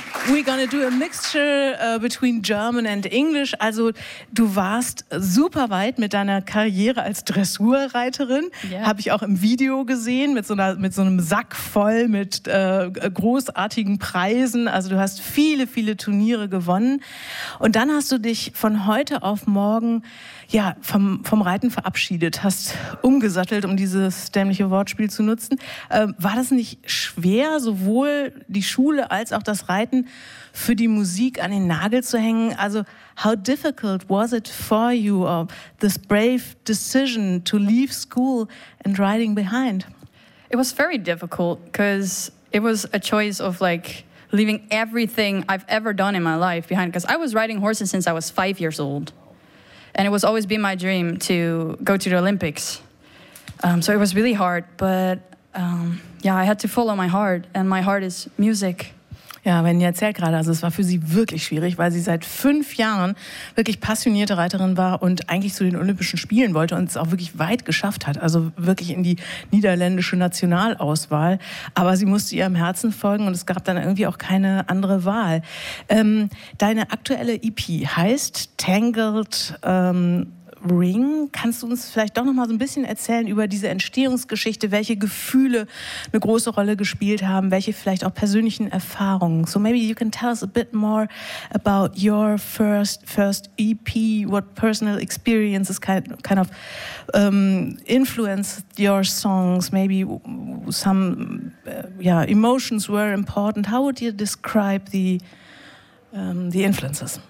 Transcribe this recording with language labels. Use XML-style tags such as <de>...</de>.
<en>We're gonna do a mixture between German and English.</en> <de>Also, du warst super weit mit deiner Karriere als Dressurreiterin. Yeah. Habe ich auch im Video gesehen, mit so einem Sack voll mit großartigen Preisen. Also, du hast viele, viele Turniere gewonnen. Und dann hast du dich von heute auf morgen ja vom Reiten verabschiedet, hast umgesattelt, um dieses dämliche Wortspiel zu nutzen. War das nicht schwer, sowohl die Schule als auch das Reiten für die Musik an den Nagel zu hängen?</de> <en>Also, how difficult was it for you, or this brave decision to leave school and riding behind? It was very difficult, because it was a choice of like leaving everything I've ever done in my life behind, because I was riding horses since I was 5 years old. And it was always been my dream to go to the Olympics. So it was really hard, but yeah, I had to follow my heart, and my heart is music.</en> <de>Ja, wenn ihr erzählt gerade, also es war für sie wirklich schwierig, weil sie seit 5 Jahren wirklich passionierte Reiterin war und eigentlich zu den Olympischen Spielen wollte und es auch wirklich weit geschafft hat, also wirklich in die niederländische Nationalauswahl. Aber sie musste ihrem Herzen folgen und es gab dann irgendwie auch keine andere Wahl. Deine aktuelle EP heißt Tangled Ring. Kannst du uns vielleicht doch noch mal so ein bisschen erzählen über diese Entstehungsgeschichte, welche Gefühle eine große Rolle gespielt haben, welche vielleicht auch persönlichen Erfahrungen?</de> <en>So maybe you can tell us a bit more about your first EP, what personal experiences kind of influenced your songs, maybe some emotions were important. How would you describe the influences?</en>